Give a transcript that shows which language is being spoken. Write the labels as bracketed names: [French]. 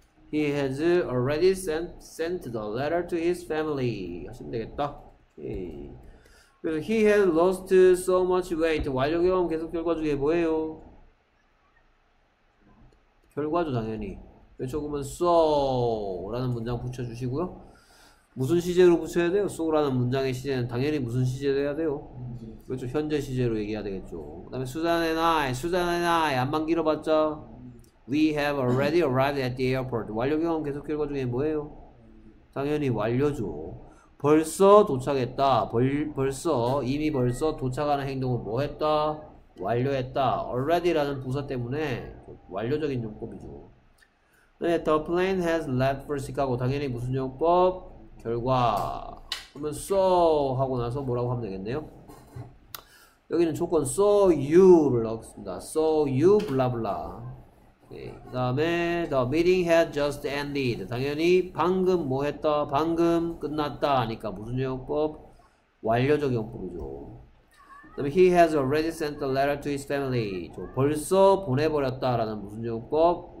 [English] He has already sent the letter to his family. [Korean] 하시면 되겠다. 오케이. [English] He has lost so much weight. [Korean] 완료형 계속 결과 중에 뭐예요? 결과죠 당연히. 조금은 so라는 문장 붙여주시고요. 무슨 시제로 붙여야 돼요? so라는 문장의 시제는 당연히 무슨 시제로 해야 돼요? 그렇죠. 현재 시제로 얘기해야 되겠죠. 그 다음에 수잔 앤 아이 안만 길어봤자 [English] We have already arrived at the airport. [Korean] 완료경험 계속 결과 중에 뭐예요? 당연히 완료죠. 벌써 도착했다. 벌써 이미 벌써 도착하는 행동을 뭐 했다? 완료했다. Already라는 부사 때문에 완료적인 용법이죠. [English] 네, the plane has left for Chicago. [Korean] 당연히 무슨 용법? 결과. 그러면 so 하고 나서 뭐라고 하면 되겠네요? 여기는 조건 [English] so you를 [Korean] 넣었습니다. [English] So you blah blah. [Korean] 네, 그 다음에 [English] the meeting had just ended. [Korean] 당연히 방금 뭐 했다? 방금 끝났다 하니까 무슨 용법? 완료적 용법이죠. 그다음에 [English] he has already sent a letter to his family. [Korean] 저 벌써 보내버렸다라는 무슨 용법?